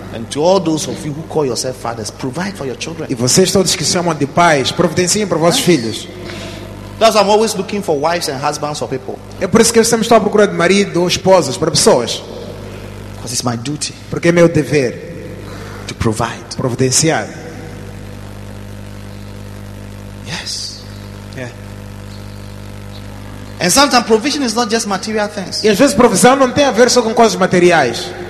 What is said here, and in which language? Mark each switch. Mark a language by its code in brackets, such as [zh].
[en] And to all those of you who call yourself fathers, provide for your children. [pt] E vocês todos que chamam de pais, providenciem para vossos filhos. [en] That's why I'm always looking for wives and husbands for people. [pt] É por isso que eu sempre estou à procura de marido ou esposas para pessoas. [en] Because it's my duty. [pt] Porque é meu dever. [en] To provide. [pt] Providenciar. [en] Yes. Yeah. And sometimes provision is not just material things. [pt] E às vezes provisão não tem a ver só com coisas materiais.